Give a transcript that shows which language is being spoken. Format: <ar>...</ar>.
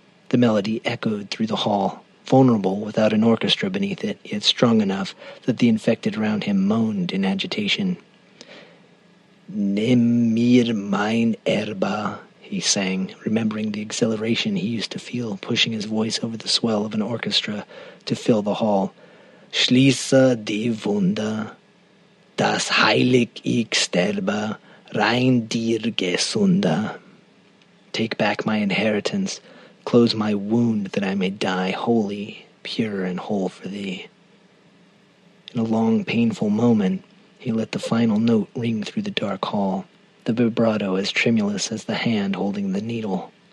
<en>The melody echoed through the hall, vulnerable without an orchestra beneath it, yet strong enough that the infected around him moaned in agitation.</en> <de>"Nimm mir mein Erba,"</de> <en>he sang, remembering the exhilaration he used to feel pushing his voice over the swell of an orchestra to fill the hall.</en> <de>"Schließe die Wunde, das heilig ich sterbe, rein dir gesunde."</de> <en>Take back my inheritance, close my wound that I may die holy, pure and whole for thee. In a long, painful moment, he let the final note ring through the dark hall, the vibrato as tremulous as the hand holding the needle.</en>